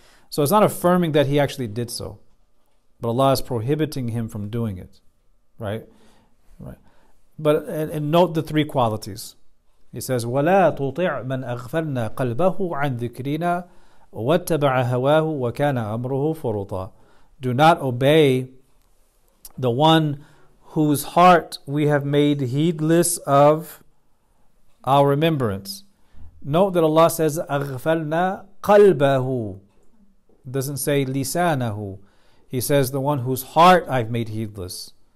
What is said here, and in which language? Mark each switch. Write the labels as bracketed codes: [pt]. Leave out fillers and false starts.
[en] So it's not affirming that he actually did so, but Allah is prohibiting him from doing it, right? But and note the three qualities. He says, [ar] "ولا تطيع من أغفلنا قلبه عن ذكرنا واتبع هواه وكان أمره فرطا." [en] Do not obey the one whose heart we have made heedless of our remembrance. Note that Allah says, [ar] "أغفلنا قلبه." [en] Doesn't say lisanahu. He says the one whose heart I've made heedless.